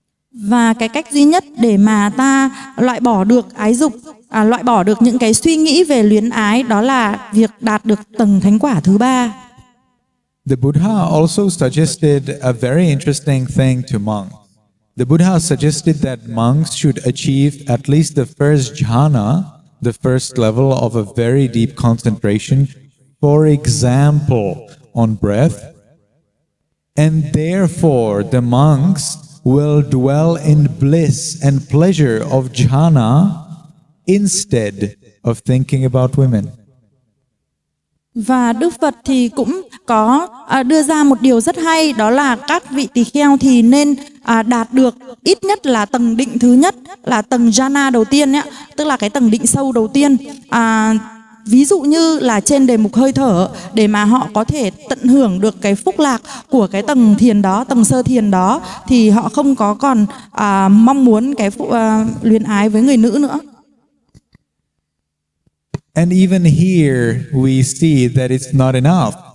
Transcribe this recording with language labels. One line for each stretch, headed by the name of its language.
Vietnamese: Và cái cách duy nhất để mà ta loại bỏ được ái dục, loại bỏ được những cái suy nghĩ về luyến ái, đó là việc đạt được tầng thánh quả thứ ba.
English: The Buddha also suggested a very interesting thing to monks. The Buddha suggested that monks should achieve at least the first jhana, the first level of a very deep concentration, for example, on breath, and therefore the monks will dwell in bliss and pleasure of jhana instead of thinking about women.
Vietnamese: Và Đức Phật thì cũng có đưa ra một điều rất hay, đó là các vị tỳ kheo thì nên đạt được ít nhất là tầng định thứ nhất, là tầng jhana đầu tiên ấy, tức là cái tầng định sâu đầu tiên. Ví dụ như là trên đề mục hơi thở, để mà họ có thể tận hưởng được cái phúc lạc của cái tầng thiền đó, tầng sơ thiền đó, thì họ không có còn mong muốn cái luyến ái với người nữ nữa.
English: And even here we see that it's not enough.